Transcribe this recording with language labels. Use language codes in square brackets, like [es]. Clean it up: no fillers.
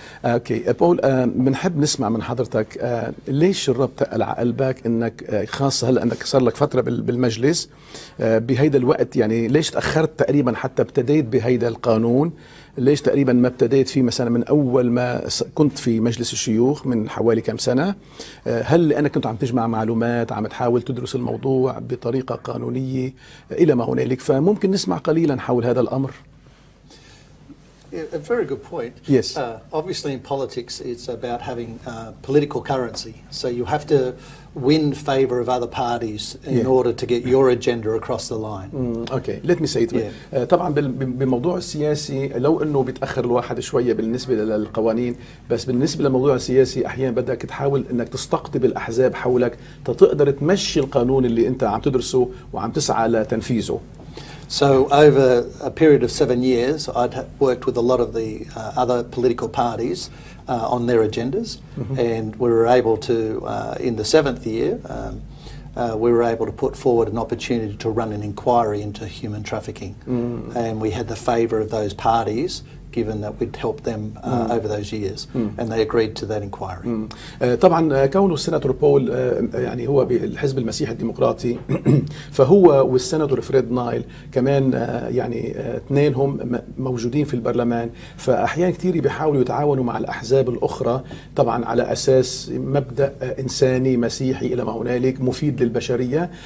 [ar] اوكي بقول بنحب نسمع من حضرتك ليش الرب تقلع قلبك انك خاصه هلا انك صار لك فتره بالمجلس بهيدا الوقت، يعني ليش تاخرت تقريبا حتى ابتديت بهيدا القانون؟ ليش تقريبا ما ابتديت فيه مثلا من اول ما كنت في مجلس الشيوخ من حوالي كم سنه؟ هل لانك كنت عم تجمع معلومات، عم تحاول تدرس الموضوع بطريقه قانونيه الى ما هنالك؟ فممكن نسمع قليلا حول هذا الامر. [en] A very good point. Yes. Obviously, in politics, it's about having political currency. So you have to win favor of other parties in order to get your agenda across the line. Okay. Let me say it. Yeah. [ar] طبعاً بموضوع السياسي لو إنه بتأخر الواحد شوية بالنسبة للقوانين، بس بالنسبة لموضوع السياسي أحياناً بدك تحاول إنك تستقطب الأحزاب حولك تقدر تمشي القانون اللي أنت عم تدرسه وعم تسعى لتنفيذه. [en] So over a period of 7 years, I'd worked with a lot of the other political parties on their agendas, and we were able to, in the 7th year, we were able to put forward an opportunity to run an inquiry into human trafficking, and we had the favour of those parties, given that we'd helped them over those years, and they agreed to that inquiry. [ar] طبعا كونه السيناتور بول يعني هو بالحزب المسيحي الديمقراطي، فهو والسيناتور فريد نايل كمان يعني اثنينهم موجودين في البرلمان، فأحيان كثير بيحاولوا يتعاونوا مع الأحزاب الأخرى طبعا على أساس مبدأ إنساني مسيحي إلى ما هنالك مفيد للبشرية.